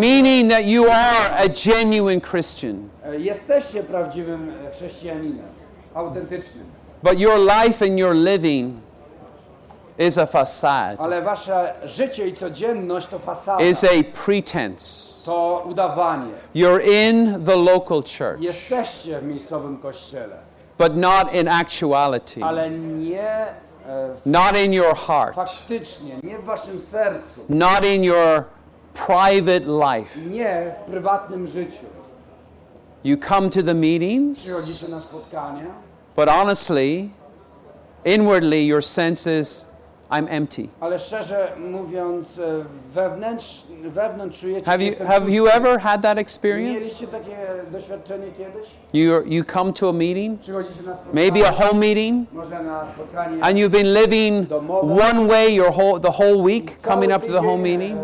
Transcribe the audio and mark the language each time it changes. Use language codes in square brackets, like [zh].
[en] Meaning that you are a genuine Christian. [pl] Jesteście prawdziwym chrześcijaninem, autentycznym. [en] But your life and your living is a facade. [pl] Ale wasze życie i codzienność to fasada. [en] Is a pretense. [pl] To udawanie. [en] You're in the local church. [pl] Jesteście w miejscowym kościele. [en] But not in actuality. [pl] Ale nie [en] not in your heart. [pl] Faktycznie, nie w waszym sercu. [en] Not in your private life. [pl] Nie w prywatnym życiu. [en] You come to the meetings. [pl] Przychodzicie na spotkania. [en] But honestly, inwardly, your sense is, I'm empty. [pl] Ale szczerze mówiąc, wewnątrz czujecie, [en] Have you ever had that experience? [pl] Mieliście takie doświadczenie kiedyś? [en] You come to a meeting, [pl] przychodzicie na spotkanie, [en] maybe a home meeting, [pl] może na spotkanie, [en] and you've been living [pl] domowe, [en] one way your whole the whole week coming up to the home meeting.